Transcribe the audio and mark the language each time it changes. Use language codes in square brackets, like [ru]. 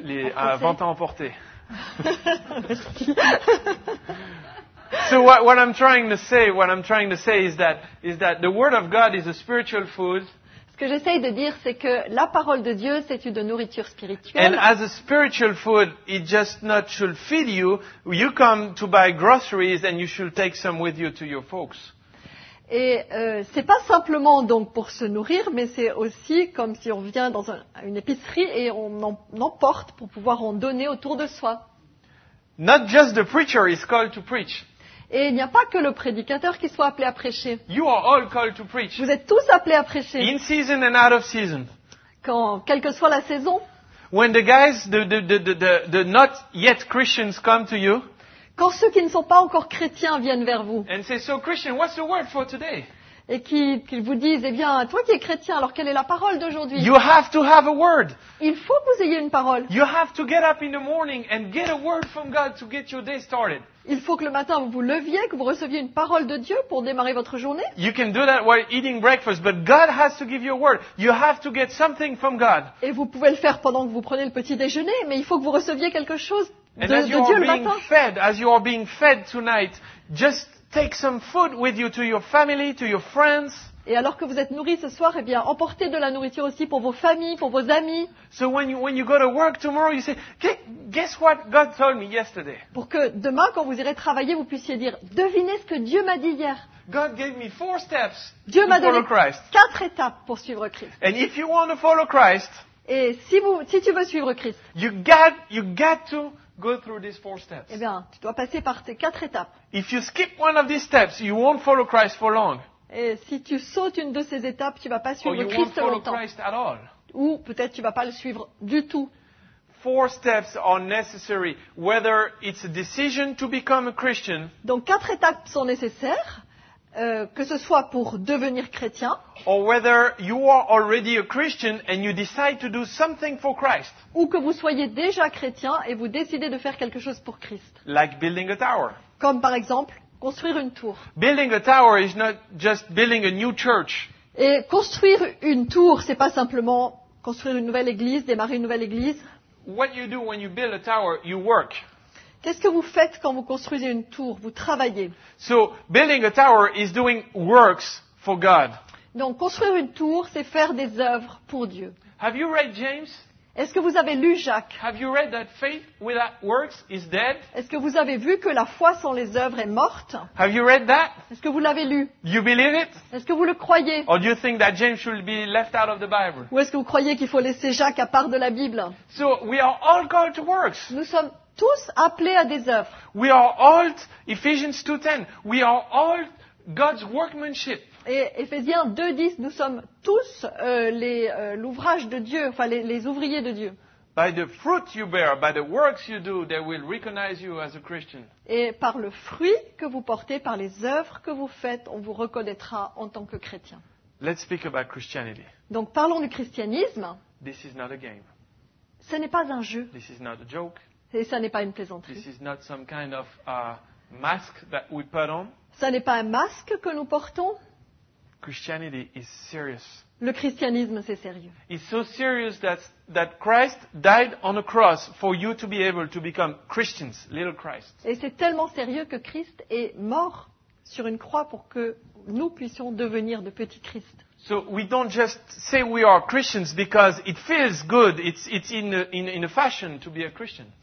[fr] Les ventes à emporter. Merci. [en] So what I'm trying to say is that the word of God is a spiritual food. [fr] Ce que j'essaie de dire, c'est que la parole de Dieu, c'est une nourriture spirituelle. [en] And as a spiritual food, it just not should feed you. You come to buy groceries and you should take some with you to your folks. [fr] Et c'est pas simplement donc pour se nourrir, mais c'est aussi comme si on vient dans une épicerie et on en emporte pour pouvoir en donner autour de soi. [en] Not just the preacher is called to preach. [fr] Et il n'y a pas que le prédicateur qui soit appelé à prêcher. [en] You are all called to preach. [fr] Vous êtes tous appelés à prêcher. [en] In season and out of season. [fr] Quand, quelle que soit la saison. [en] When the guys, the not yet Christians come to you. [fr] Quand ceux qui ne sont pas encore chrétiens viennent vers vous. [en] And say, so Christian, what's the word for today? [fr] Et qu'ils vous disent, eh bien, toi qui es chrétien, alors quelle est la parole d'aujourd'hui? [en] You have to have a word. [fr] Il faut que vous ayez une parole. [en] You have to get up in the morning and get a word from God to get your day started. [fr] Il faut que le matin vous vous leviez, que vous receviez une parole de Dieu pour démarrer votre journée. [en] You can do that while eating breakfast, but God has to give you a word. You have to get something from God. [fr] Et vous pouvez le faire pendant que vous prenez le petit déjeuner, mais il faut que vous receviez quelque chose de Dieu le matin. [en] And as you are being fed, as you are being fed tonight, just take some food with you to your family, to your friends. [fr] Et alors que vous êtes nourri ce soir, eh bien, emportez de la nourriture aussi pour vos familles, pour vos amis. [en] So when you go to work tomorrow, you say, guess what God told me yesterday. [fr] Pour que demain, quand vous irez travailler, vous puissiez dire, devinez ce que Dieu m'a dit hier. [en] God gave me four steps. [fr] Dieu m'a donné [en] Christ. [fr] Quatre étapes pour suivre Christ. [en] And if you want to follow Christ, [fr] et si tu veux suivre Christ, [en] you got to go through these four steps. [fr] Eh bien, tu dois passer par tes quatre étapes. [en] If you skip one of these steps, you won't follow Christ for long. [fr] Et si tu sautes une de ces étapes, tu ne vas pas suivre [en] Or Christ won't [fr] longtemps. [en] Christ at all. [fr] Ou peut-être tu ne vas pas le suivre du tout. [en] Four steps are necessary, whether it's a decision to become a Christian. [fr] Donc quatre étapes sont nécessaires, que ce soit pour devenir chrétien. [en] Or whether you are already a Christian and you decide to do something for Christ. [fr] Ou que vous soyez déjà chrétien et vous décidez de faire quelque chose pour Christ. [en] Like building a tower. [fr] Comme par exemple. Construire une tour. [en] Building a tower is not just building a new church. [fr] Et construire une tour, c'est pas simplement construire une nouvelle église, démarrer une nouvelle église. [en] What you do when you build a tower, you work. [fr] Qu'est-ce que vous faites quand vous construisez une tour? Vous travaillez. [en] So building a tower is doing works for God. [fr] Donc construire une tour, c'est faire des œuvres pour Dieu. [en] Have you read James? [fr] Est-ce que vous avez lu Jacques? [en] Have you read that faith without works is dead? [fr] Est-ce que vous avez vu que la foi sans les œuvres est morte? [en] Have you read that? [fr] Est-ce que vous l'avez lu? [en] You believe it? [fr] Est-ce que vous le croyez? [en] Or do you think that James should be left out of the Bible? [fr] Ou est-ce que vous croyez qu'il faut laisser Jacques à part de la Bible? [en] So we are all called to works. [fr] Nous sommes tous appelés à des œuvres. [en] We are all Ephesians 2:10. We are all God's workmanship. [fr] Et Éphésiens 2:10, nous sommes tous l'ouvrage de Dieu, enfin les ouvriers de Dieu. [en] By the fruit you bear, by the works you do, they will recognize you as a Christian. [fr] Et par le fruit que vous portez, par les œuvres que vous faites, on vous reconnaîtra en tant que chrétien. [en] Let's speak about Christianity. [fr] Donc parlons du christianisme. [en] This is not a game. [fr] Ce n'est pas un jeu. [en] This is not a joke. [fr] Et ça n'est pas une plaisanterie. [en] This is not some kind of mask that we put on. [fr] Ça n'est pas un masque que nous portons. [en] Christianity is serious. [fr] Le christianisme, c'est sérieux. [en] It's so serious that Christ died on a cross for you to be able to become Christians, little Christ. [fr] Et c'est tellement sérieux que Christ est mort sur une croix pour que nous puissions devenir de petits Christ. [en] So we don't just say we are Christians because it feels good. It's in a fashion to be a Christian.